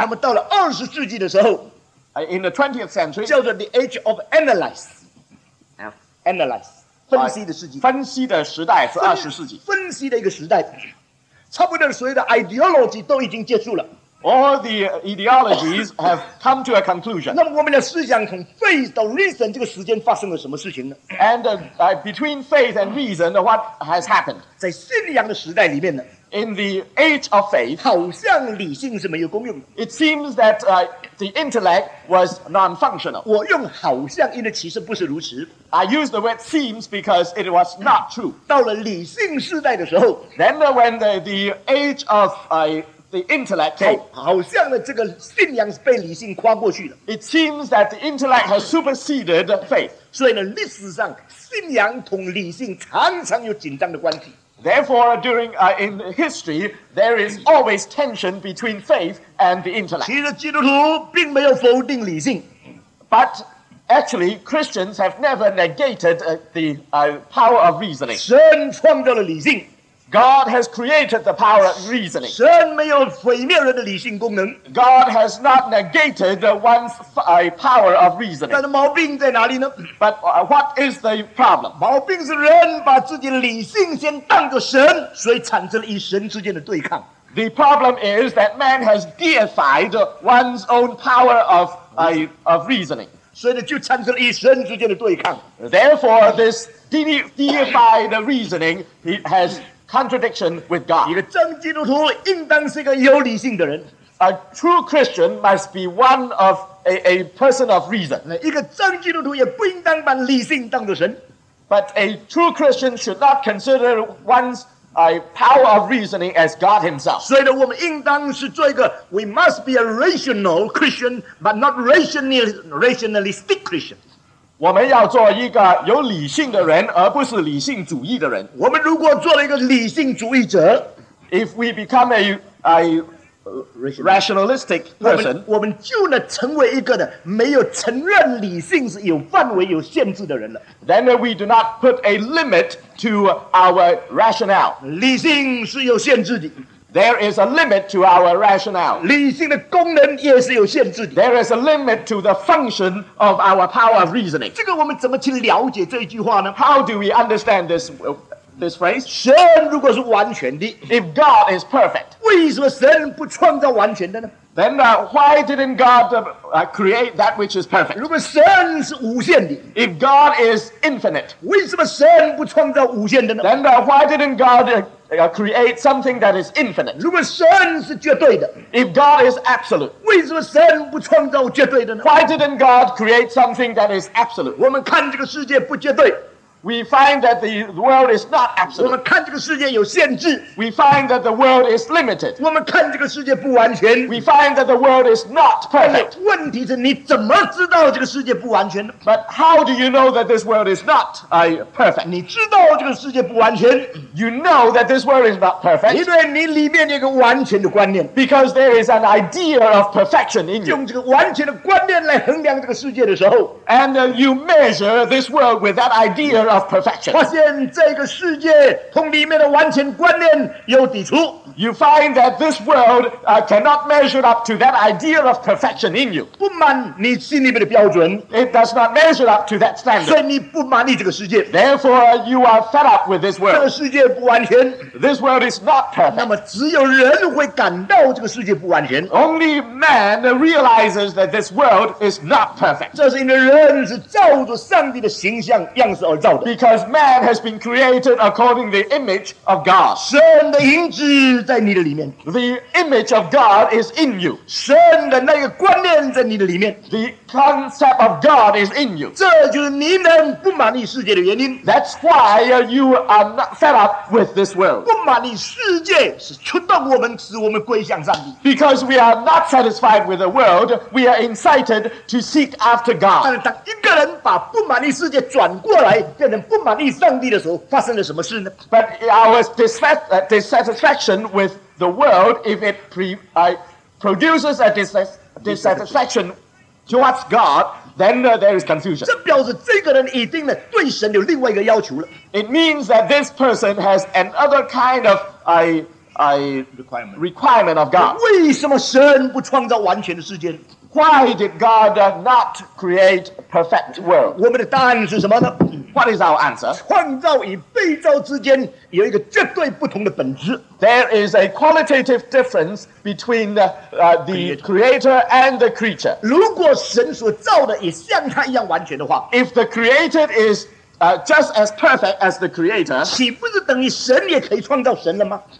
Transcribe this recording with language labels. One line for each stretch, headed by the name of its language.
Chinese: 那么到了二十世纪的时候
English: in the 20th century，
Chinese: 叫做
English: the age of analysis. Analysis
Chinese: 分析的世纪，分析的时代是二十世纪，分析的一个时代。差不多所有的 ideology 都已经结束了。
English: All the ideologies have come to a conclusion.
Chinese: 那么我们的思想从 faith 到 reason 这个时间发生了什么事情呢？
English: And between faith and reason, what has happened?
Chinese: 在信仰的时代里面呢？
English: In the age of faith,
Chinese: 好像理性是没有功用的。
English: It seems that the intellect was non-functional.
Chinese: 我用好像，因为其实不是如此。
English: I use the word seems because it was not true.
Chinese: 到了理性时代的时候
English: ，then when the age of the intellect came,
Chinese: 好像呢这个信仰是被理性跨过去了。
English: It seems that the intellect has superseded faith.
Chinese: 所以呢，历史上信仰同理性常常有紧张的关系。
English: Therefore, during in history, there is always tension between faith and the intellect.
Chinese: 其实基督徒并没有否定理性
English: ，but actually Christians have never negated the power of reasoning.
Chinese: 神创造了理性
English: ，God has created the power of reasoning.
Chinese: 神没有毁灭人的理性功能
English: ，God has not negated one's power of reasoning.
Chinese: 但是毛病在哪里呢
English: ？But what is the problem?
Chinese: 毛病是人把自己的理性先当作神，所以产生了与神之间的对抗。
English: The problem is that man has deified one's own power of reasoning.
Chinese: 所以呢，就产生了与神之间的对抗。
English: Therefore, this deified reasoning has contradiction with God.
Chinese: 一个真基督徒应当是一个有理性的人。
English: A true Christian must be one of a person of reason.
Chinese: 一个真基督徒也不应当把理性当作神。
English: But a true Christian should not consider one'sA power of reasoning as God Himself.
Chinese: 所以呢，我们应当是做一个
English: ，we must be a rational Christian, but not rationalistic Christian.
Chinese: 我们要做一个有理性的人，而不是理性主义的人。我们如果做了一个理性主义者
English: ，if we become a rationalistic person,
Chinese: 我们就呢成为一个呢没有承认理性是有范围、有限制的人了。
English: Then we do not put a limit to our rationale.
Chinese: 理性是有限制的。
English: There is a limit to our rationale.
Chinese: 理性的功能也是有限制的。
English: There is a limit to the function of our power of reasoning.
Chinese: 这个我们怎么去了解这句话呢
English: ？How do we understand this? This phrase,
Chinese: 神如果是完全的
English: ，If God is perfect,
Chinese: 为什么神不创造完全的呢
English: Then why didn't God create that which is perfect?
Chinese: 如果神是无限的,
English: if God is infinite,
Chinese: 为什么神不创造无限的呢?
English: Then why didn't God create something that is infinite?
Chinese: 如果神是绝对的,
English: if God is absolute,
Chinese: 为什么神不创造绝对的呢?
English: Why didn't God create something that is absolute?
Chinese: 我们看这个世界不绝对。
English: We find that the world is not absolute.
Chinese: 我们看这个世界有限制。
English: We find that the world is limited.
Chinese: 我们看这个世界不完全。
English: We find that the world is not perfect.
Chinese: 问题是你怎么知道这个世界不完全呢?
English: But how do you know that this world is not perfect?
Chinese: 你知道这个世界不完全。
English: You know that this world is not perfect.
Chinese: 因为你里面有一个完全的观念。
English: Because there is an idea of perfection in you.
Chinese: 用这个完全的观念来衡量这个世界的时候。
English: And you measure this world with that idea of perfection.
Chinese: 发现这个世界同里面的完全观念有抵触。
English: You find that this world cannot measure up to that idea of perfection in you.
Chinese: 不满你心里面的标准。
English: It does not measure up to that standard.
Chinese: 所以你不满意这个世界。
English: Therefore, you are fed up with this world.
Chinese: 这个世界不完全。
English: This world is not perfect.
Chinese: 那么只有人会感到这个世界不完全。
English: Only man realizes that this world is not perfect.
Chinese: 这是因为人是照着上帝的形象样式而造的。
English: Because man has been created according to the image of God.
Chinese: 神的影子在你的里面。
English: The image of God is in you.
Chinese: 神的那个观念在你的里面。
English: The concept of God is in you.
Chinese: 这就是你能不满意世界的原因。
English: That's why you are not fed up with this world.
Chinese: 不满意世界是触动我们，使我们归向上帝。
English: Because we are not satisfied with the world, we are incited to seek after God.
Chinese: 但是当一个人把不满意世界转过来，变成不满意上帝的时候，发生了什么事呢？
English: But our dissatisfaction with the world, if it produces a dissatisfaction towards God, then there is confusion.
Chinese: 这表示这个人已经对神有另外一个要求了。
English: It means that this person has another kind of requirement of God.
Chinese: 为什么神不创造完全的世界？
English: Why did God not create a perfect world?
Chinese: 我们的答案是什么呢?
English: What is our answer?
Chinese: 创造与被造之间有一个绝对不同的本质。
English: There is a qualitative difference between the creator and the creature.
Chinese: 如果神所造的也像他一样完全的话，
English: If the created is just as perfect as the creator,
Chinese: 岂不是等于神也可以创造神了吗？